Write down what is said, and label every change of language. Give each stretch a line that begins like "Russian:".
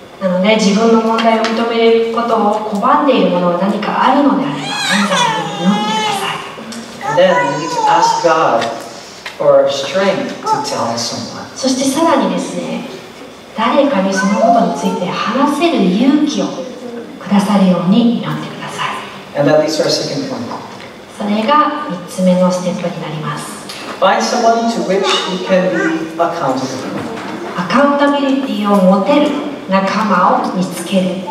Japanese: なので自分の問題を認めることを拒んでいるものが何かあるのであれば、神様に祈ってください。
English: And then we need to ask God for strength to tell someone.
Japanese: そしてさらにですね、誰かにそのことについて話せる勇気をくださるように祈ってください。
English: And that leads to our second point.
Japanese: それが三つ目のステップになります。
English: Find someone to which you can be accountable.
Japanese: アカウンタビリティを持てる仲間を見つける。